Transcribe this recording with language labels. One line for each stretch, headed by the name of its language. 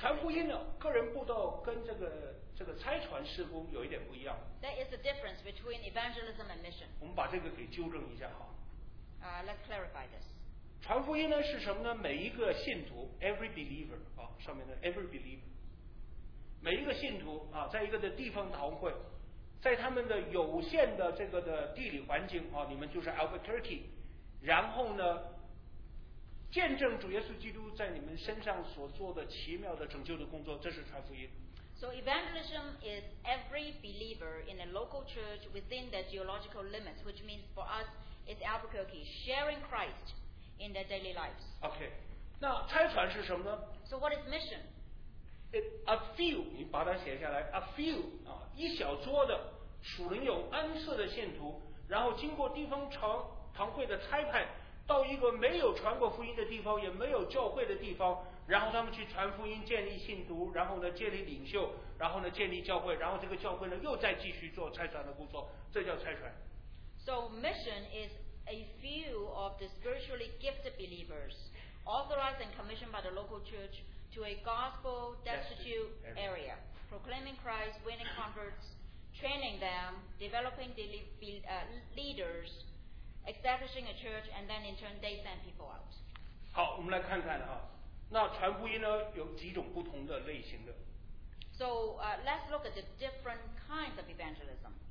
Chinese: 传福音呢，个人布道跟这个差传事工有一点不一样。
English: There is a difference between evangelism and mission.
Chinese: 我们把这个给纠正一下哈。
English: Let's clarify this.
Chinese: 传福音呢是什么呢？每一个信徒 ，
English: every believer
Chinese: 啊，上面的 every believer， 每一个信徒啊，在一个的地方堂会，在他们的有限的这个的地理环境啊，你们就是 Albuquerque。然后呢，见证主耶稣基督在你们身上所做的奇妙的拯救的工作，这是传福音。
English: So evangelism is every believer in a local church within the geological limits, which means for us it's Albuquerque sharing Christ in their daily lives.
Chinese: Okay, 那差传是什么呢
English: ？So what is mission?
Chinese: A few, 你把它写下来 ，
English: a few
Chinese: 啊，一小撮的属灵有恩赐的信徒，然后经过地方长。堂会的差派到一个没有传过福音的地方，也没有教会的地方，然后他们去传福音，建立信徒，然后呢建立领袖，然后呢建立教会，然后这个教会呢又再继续做差传的工作，这叫差传。
English: So mission is a few of the spiritually gifted believers authorized and commissioned by the local church to a gospel destitute area, proclaiming Christ, winning converts, training them, developing the leaders. Establishing a church and then in turn they send people out.
Chinese: 好，我们来看看哈，那传福音呢有几种不同的类型的。
English: So, let's look at the different kinds of evangelism.